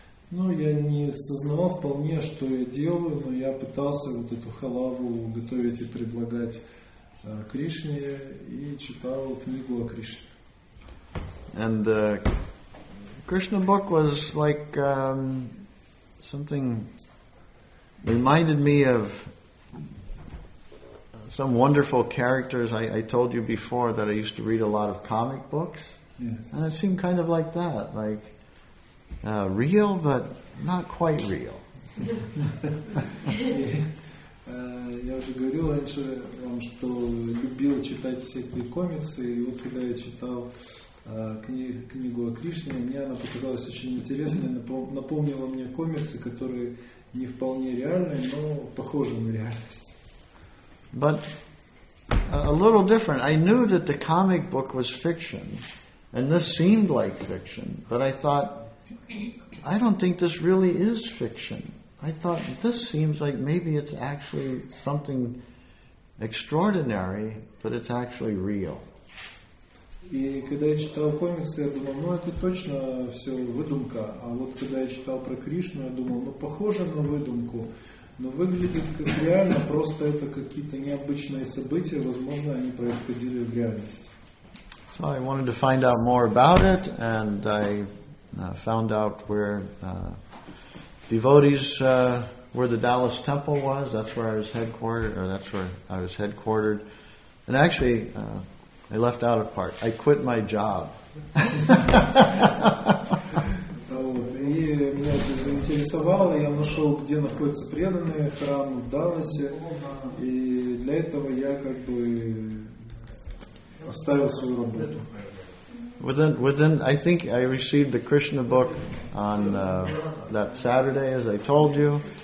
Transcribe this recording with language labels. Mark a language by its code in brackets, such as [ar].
[ru] Ну, я не сознавал вполне, что я делаю, но я пытался вот эту халаву готовить и предлагать Кришне и читал книгу о Кришне. [en] And the Krishna book was like something reminded me of some wonderful characters. I told you before that I used to read a lot of comic books. Yes. And it seemed kind of like that, like real but not quite real. [ru] Я уже говорил раньше вам, что любил читать всякие комиксы, и вот когда я читал книгу о Кришне, мне она показалась очень интересной, напомнила мне комиксы, которые не вполне реальной, но похожей на реальность. [en] But a little different. I knew that the comic book was fiction, and this seemed like fiction, but I thought, I don't think this really is fiction. I thought, this seems like maybe it's actually something extraordinary, but it's actually real. [ru] И когда я читал комиксы, я думал, ну это точно все выдумка. А вот когда я читал про Кришну, я думал, ну похоже на выдумку, но выглядит как реально, просто это какие-то необычные события, возможно, они происходили в реальности. [en] So I wanted to find out more about it, and I found out where devotees, where the Dallas Temple was. That's where I was headquartered, or that's where I was headquartered. And actually, I left out a part. I quit my job. [ru] И меня это заинтересовало. Я нашел, где находится преданный храм в Далласе, и для этого я как бы оставил свою работу. [en] Within, I think I received the Krishna book on that Saturday, as I told you.